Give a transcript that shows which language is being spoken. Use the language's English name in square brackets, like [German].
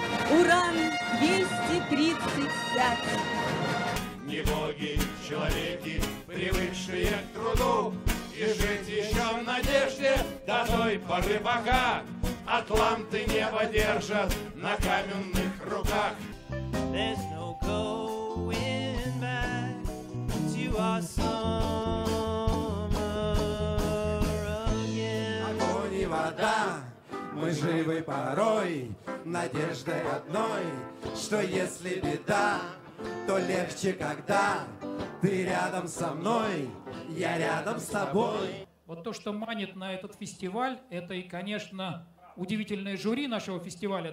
[Russian] Уран-235. Не боги, человеки, привыкшие к труду, и жить еще в надежде до той поры пока атланты небо держат на каменных руках. [English] There's no going back to our summer again. [Russian] Огонь и вода, мы живы порой надеждой одной, что если беда, то легче, когда ты рядом со мной, я рядом с тобой. Вот то, что манит на этот фестиваль, это и, конечно, удивительное жюри нашего фестиваля.